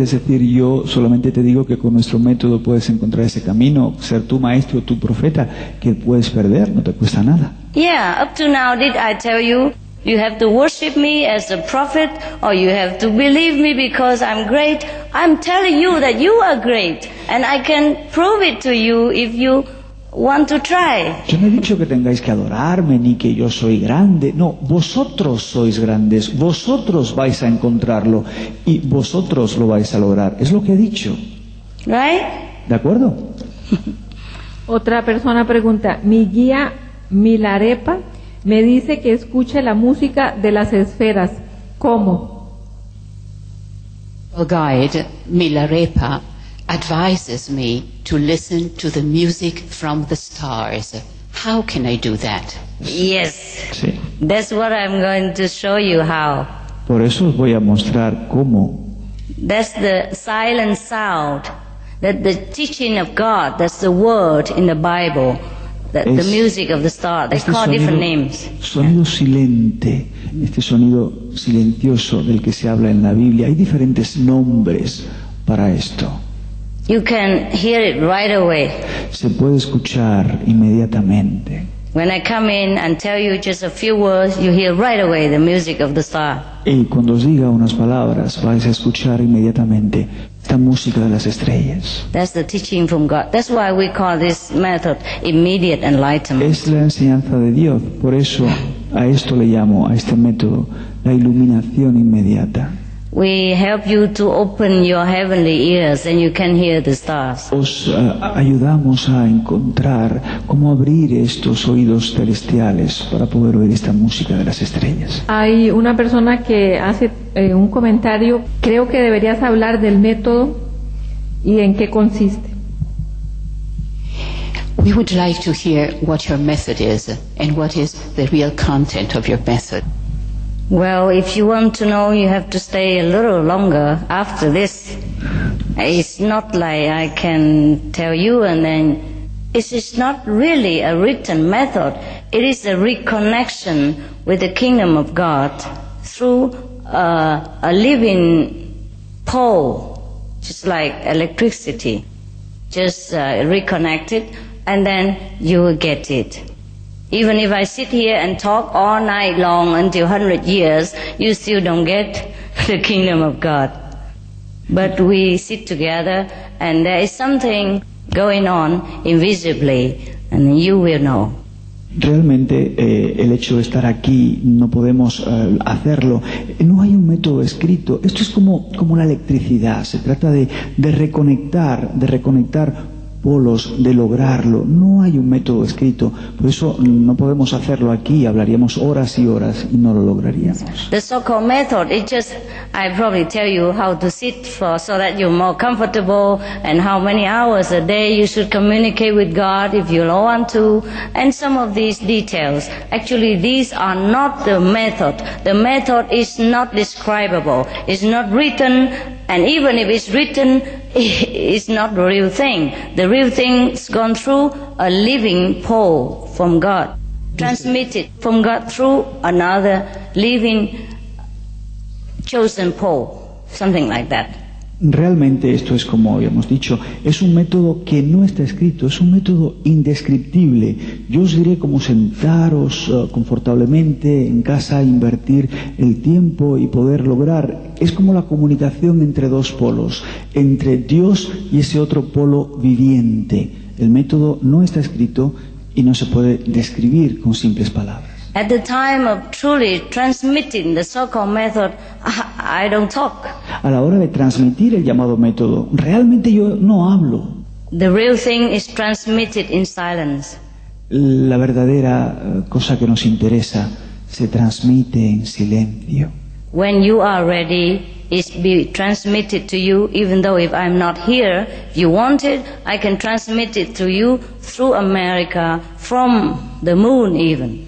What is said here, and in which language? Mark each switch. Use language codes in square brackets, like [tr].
[es] Es decir, yo solamente te digo que con nuestro método puedes encontrar ese camino, ser tu maestro, tu profeta. ¿Qué puedes perder? No te cuesta nada. [en] Yeah, up to now, did I tell you? You have to worship me as a prophet, or you have to believe me because I'm great. I'm telling you that you are great, and I can prove it to you if you want to try. [es] Yo no he dicho que tengáis que adorarme ni que yo soy grande. No, vosotros sois grandes. Vosotros vais a encontrarlo y vosotros lo vais a lograr. Es lo que he dicho. [en] Right? [es] ¿De acuerdo? Otra persona pregunta, mi guía Milarepa me dice que escuche la música de las esferas. ¿Cómo? [en] Our guide Milarepa advises me to listen to the music from the stars. How can I do that? Yes. [es] Sí. [en] That's what I'm going to show you how. [es] Por eso os voy a mostrar cómo. [en] That's the silent sound, that the teaching of God, that's the word in the Bible. The music of the star, they call different names. [es] Sonido silente, este sonido silencioso del que se habla en la Biblia. Hay diferentes nombres para esto. [en] You can hear it right away. [es] Se puede escuchar inmediatamente. [en] When I come in and tell you just a few words, you hear right away the music of the star. [es] Y cuando os diga unas palabras, vais a escuchar inmediatamente esta música de las estrellas. [en] That's the teaching from God. That's why we call this method immediate enlightenment. [es] Es la enseñanza de Dios. Por eso a esto le llamo, a este método, la iluminación inmediata. [en] We help you to open your heavenly ears and you can hear the stars. [es] Os ayudamos a encontrar cómo abrir estos oídos celestiales para poder oír esta música de las estrellas. Hay una persona que hace un comentario. Creo que deberías hablar del método y en qué consiste. [en] We would like to hear what your method is and what is the real content of your method. Well, if you want to know, you have to stay a little longer after this. It's not like I can tell you and then... It's not really a written method. It is a reconnection with the kingdom of God through a living pole, just like electricity, just reconnect it, and then you will get it. Even if I sit here and talk all night long until 100 years, you still don't get the kingdom of God. But we sit together, and there is something going on invisibly, and you will know. [es] Realmente el hecho de estar aquí no podemos hacerlo. No hay un método escrito. Esto es como la electricidad. Se trata de reconectar polos, de lograrlo. No hay un método escrito. Por eso no podemos hacerlo aquí. Hablaríamos horas y horas y no lo lograríamos. [en] The so-called method, it's just I probably tell you how to sit for so that you're more comfortable and how many hours a day you should communicate with God if you want to and some of these details. Actually, these are not the method. The method is not describable. It's not written. And even if it's written, it's not the real thing. The real thing's gone through a living pole from God, transmitted from God through another living chosen pole, something like that. [es] Realmente esto es como habíamos dicho, es un método que no está escrito, es un método indescriptible. Yo os diré cómo sentaros confortablemente en casa, invertir el tiempo y poder lograr. Es como la comunicación entre dos polos, entre Dios y ese otro polo viviente. El método no está escrito y no se puede describir con simples palabras. [en] At the time of truly transmitting the so-called method, I don't talk. [es] A la hora de transmitir el llamado método, realmente yo no hablo. [en] The real thing is transmitted in silence. [es] La verdadera cosa que nos interesa se transmite en silencio. [en] When you are ready, it's be transmitted to you, even though if I'm not here, if you want it, I can transmit it to you through America, from the moon even.